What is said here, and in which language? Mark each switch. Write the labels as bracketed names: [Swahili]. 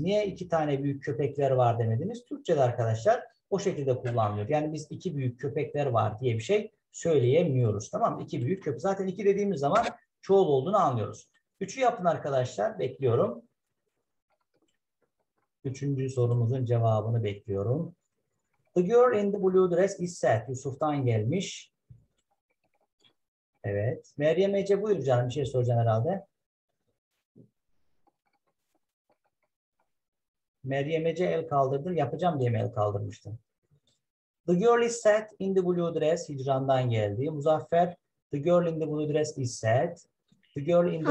[Turkish] Niye iki tane büyük köpekler var demediniz? Türkçe'de arkadaşlar o şekilde kullanılıyor. Yani biz iki büyük köpekler var diye bir şey söyleyemiyoruz. Tamam mı? İki büyük köpek. Zaten iki dediğimiz zaman çoğul olduğunu anlıyoruz. Üçü yapın arkadaşlar. Bekliyorum. Üçüncü sorumuzun cevabını bekliyorum. [English] The girl in the blue dress is sad. [Turkish] Yusuf'tan gelmiş. Evet. Meryem Ece, buyur canım. Bir şey soracaksın herhalde. Meryem Ece el kaldırdı. Yapacağım diye mi el kaldırmıştın? [English] The girl is sad in the blue dress. [Turkish] Hicran'dan geldi. [English] Muzaffer, the girl in the blue dress is sad. The girl in the...